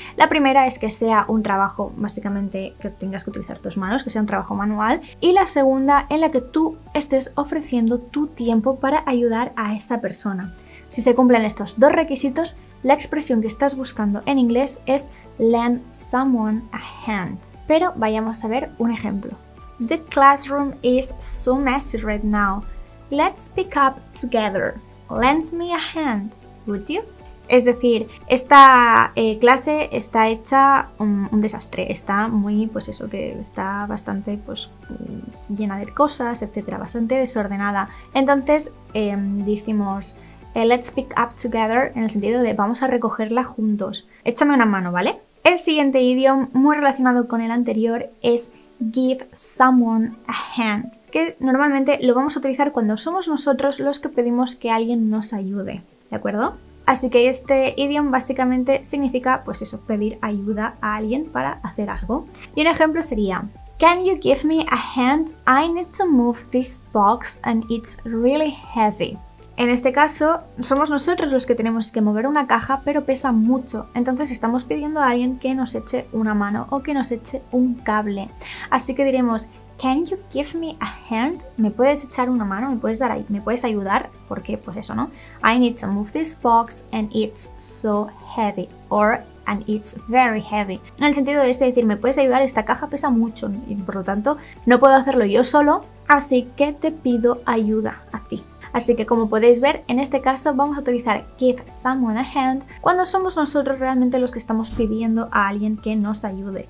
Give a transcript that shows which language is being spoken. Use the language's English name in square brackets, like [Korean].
[Spanish] La primera es que sea un trabajo, básicamente, que tengas que utilizar tus manos, que sea un trabajo manual. Y la segunda, en la que tú estés ofreciendo tu tiempo para ayudar a esa persona. Si se cumplen estos dos requisitos, la expresión que estás buscando en inglés es [English] lend someone a hand. [Spanish] Pero vayamos a ver un ejemplo. [English] The classroom is so messy right now. Let's pick up together. Lend me a hand, would you? [Spanish] Es decir, esta clase está hecha un desastre. Está muy, pues eso, que está bastante pues llena de cosas, etcétera, bastante desordenada. Entonces, decimos [English] let's pick up together [Spanish] en el sentido de vamos a recogerla juntos. Échame una mano, ¿vale? El siguiente idioma muy relacionado con el anterior es [English] give someone a hand, [Spanish] que normalmente lo vamos a utilizar cuando somos nosotros los que pedimos que alguien nos ayude, ¿de acuerdo? Así que este idioma básicamente significa, pues eso, pedir ayuda a alguien para hacer algo. Y un ejemplo sería, [English] can you give me a hand? I need to move this box and it's really heavy. [Spanish] En este caso, somos nosotros los que tenemos que mover una caja, pero pesa mucho. Entonces estamos pidiendo a alguien que nos eche una mano o que nos eche un cable. Así que diremos, [English] can you give me a hand? [Spanish] ¿Me puedes echar una mano? ¿Me puedes ayudar? Porque, pues eso, ¿no? [English] I need to move this box and it's so heavy. And it's very heavy. [Spanish] En el sentido de ese, decir, ¿me puedes ayudar? Esta caja pesa mucho y por lo tanto no puedo hacerlo yo solo. Así que te pido ayuda a ti. Así que como podéis ver, en este caso vamos a utilizar [English] give someone a hand [Spanish] cuando somos nosotros realmente los que estamos pidiendo a alguien que nos ayude.